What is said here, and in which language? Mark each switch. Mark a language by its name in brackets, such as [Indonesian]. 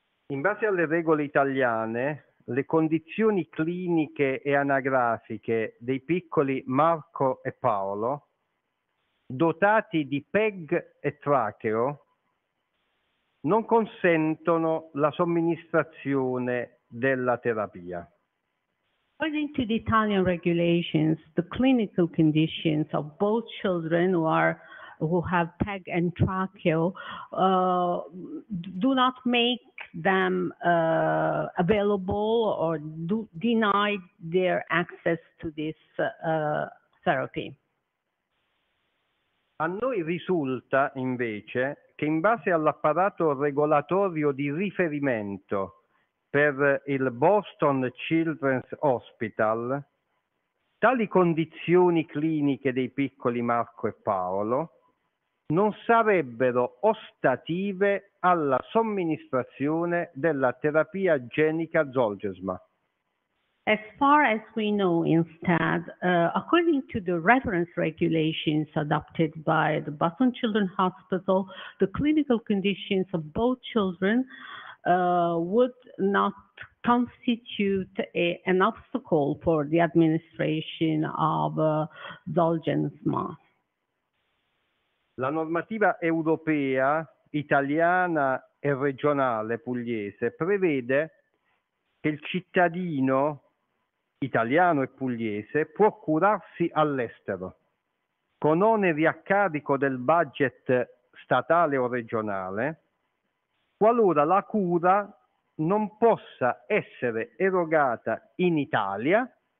[Italian] In base alle regole italiane, le condizioni cliniche e anagrafiche dei piccoli Marco e Paolo, dotati di PEG e tracheo, non consentono la somministrazione della terapia. [English] According to the Italian regulations, the clinical conditions of both children who have PEG and tracheo do not make them available or do deny their access to this therapy. [Italian] A noi risulta invece che in base all'apparato regolatorio di riferimento per il Boston Children's Hospital, tali condizioni cliniche dei piccoli Marco e Paolo non sarebbero ostative alla somministrazione della terapia genica Zolgensma. [English] As far as we know, instead, according to the reference regulations adopted by the Boston Children's Hospital, the clinical conditions of both children would not constitute an obstacle for the administration of Zolgensma. [Italian] La normativa europea, italiana e regionale pugliese prevede che il cittadino italiano e pugliese può curarsi all'estero con oneri a carico del budget statale o regionale qualora la cura non possa essere erogata in Italia,